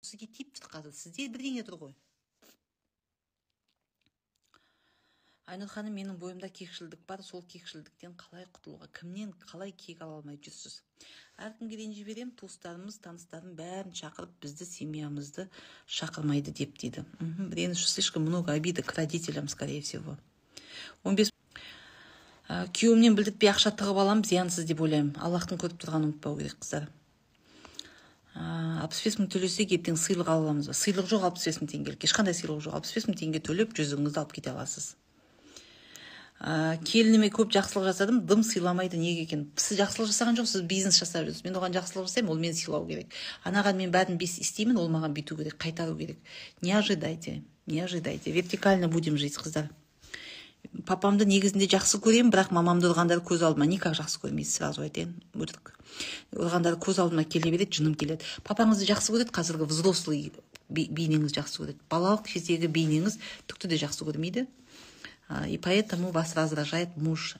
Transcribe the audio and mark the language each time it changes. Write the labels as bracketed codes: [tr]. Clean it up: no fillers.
[kk] сізге тип қазір сізде бірдеңе тұр ғой. Айнұр ханым, менің бойымда кекшілдік бар, сол кекшілдіктен қалай құтылуға, кімнен қалай кек ала алмай жүрсіз? Әркімге ренжі беремін, туыстарымыз, таныстарым бәрін шақырып, бізді семьямызды шақырмайды деп дейді. [ru] Реніш, слишком много обиды к родителям, скорее всего. [kk] 15. Күйеуімнен білдіртпей ақша тығып аламын, зиянсыз деп ойлаймын. Аллаһтың көріп тұрғанын ұмытпау керек қыздар. 65 мың төлесек ертең сыйлық ала аламыз ба? Сыйлық жоқ, 65 мың теңгелік. Ешқандай сыйлық жоқ, 65 мың теңге төлеп жүзіңізді алып кете аласыз. Келініме көп жақсылық жасадым, дым сыйламайды. Неге екен? Сіз жақсылық жасаған жоқсыз, бизнес жасап жүрсіз. Мен оған жақсылық жасаймын, ол мені сыйлау керек. Анаған мен бәрін бес істеймін, ол маған бүйту керек, қайтару керек. [ru] Не ожидайте, не ожидайте. Вертикально будем жить, қыздар. [kk] Папамды негізінде жақсы көремін, бірақ мамамды ұрғандары көз алдыма никак жақсы көрмейді, сразу айтайын. Өтірік. Ұрғандары көз алдыма келе береді, жыным келеді. Папаңызды жақсы көреді, қазіргі взрослый бейнеңіз жақсы көреді. Балалық кездегі бейнеңіз түкті де жақсы көрмейді. [ru] И поэтому вас раздражает муж.